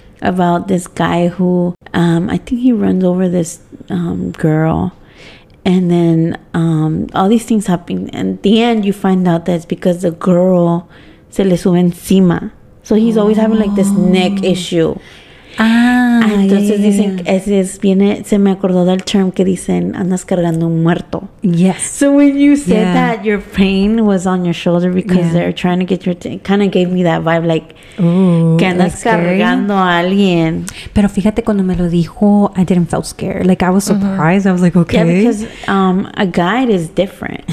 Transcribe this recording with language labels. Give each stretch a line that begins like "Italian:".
English: About this guy who, I think he runs over this girl. And then all these things happen. And at the end, you find out that it's because the girl
Spanish: se le sube encima.
English: So he's always having like this neck issue.
Spanish: Entonces dicen, se me acordó del term que dicen, andas cargando un muerto.
English: Yes. So when you said that your pain was on your shoulder because they're trying to get your, kind of gave me that vibe, like,
Spanish: que andas cargando a alguien. Pero fíjate, cuando me lo dijo,
English: I didn't feel scared. Like, I was surprised. Mm-hmm. I was like, okay. Yeah, because a guide is different.